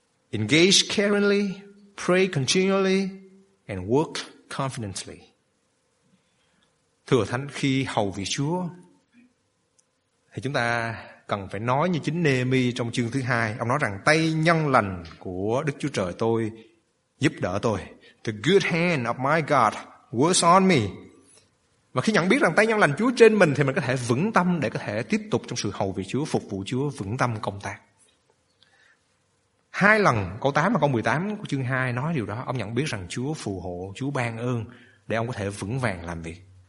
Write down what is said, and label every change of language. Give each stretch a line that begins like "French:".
English: Engage caringly, pray continually, and work confidently.
Vietnamese: Thưa Thánh, khi hầu vị Chúa thì chúng ta cần phải nói như chính Nê-mi trong chương thứ hai. Ông nói rằng tay nhân lành của Đức Chúa Trời tôi giúp đỡ tôi.
English: The good hand of my God works on me.
Vietnamese: Và khi nhận biết rằng tay nhân lành Chúa trên mình thì mình có thể vững tâm để có thể tiếp tục trong sự hầu vị Chúa, phục vụ Chúa, vững tâm công tác. Hai lần, câu 8 và câu 18 của chương 2 nói điều đó. Ông nhận biết rằng Chúa phù hộ, Chúa ban ơn để ông có thể vững vàng làm việc.